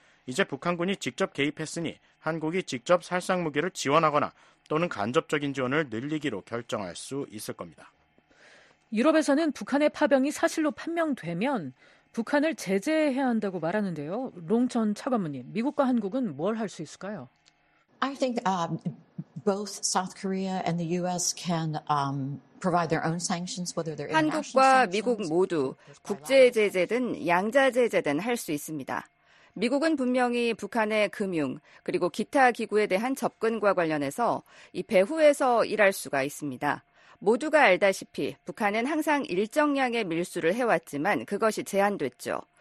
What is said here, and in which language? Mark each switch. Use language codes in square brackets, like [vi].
[ko] 이제 북한군이 직접 개입했으니 한국이 직접 살상무기를 지원하거나 또는 간접적인 지원을 늘리기로 결정할 수 있을 겁니다. 유럽에서는 북한의 파병이 사실로 판명되면 북한을 제재해야 한다고 말하는데요. 롱천 차관무님, 미국과 한국은 뭘 할 수 있을까요? [en] I think both South Korea and the U.S. can provide their own sanctions, whether they're international sanctions. [ko] 한국과 미국 모두 국제 제재든 양자 제재든 할 수 있습니다. 미국은 분명히 북한의 금융 그리고 기타 기구에 대한 접근과 관련해서 이 배후에서 일할 수가 있습니다. 모두가 알다시피 북한은 항상 일정량의 밀수를 해왔지만 그것이 제한됐죠.